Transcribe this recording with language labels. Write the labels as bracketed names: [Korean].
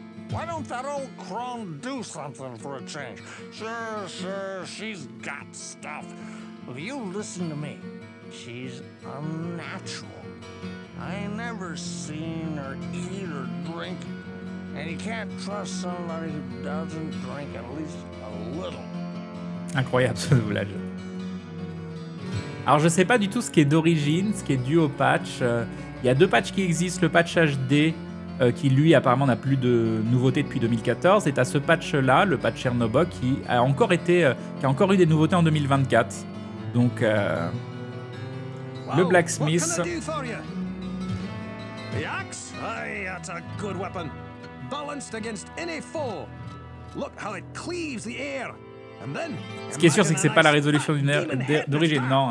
[English] Why don't that old crone do something for a change? Sure, she's got stuff. If you listen to me, she's unnatural. I never seen her eat or drink, and you can't trust somebody who doesn't drink at least a little. [French] Incroyable ce doublage. Alors je sais pas du tout ce qui est d'origine, ce qui est dû au patch. Il y a deux patchs qui existent, le patch HD, qui lui apparemment n'a plus de nouveautés depuis 2014, et à ce patch-là, le patch Tchernobog, qui a encore eu des nouveautés en 2024. Donc, le blacksmith... [English] The axe? Aye, that's a good weapon. Balanced against any foe. Look how it cleaves the air. And then, [French] ce qui est sûr, c'est que c'est pas la résolution d'origine, non.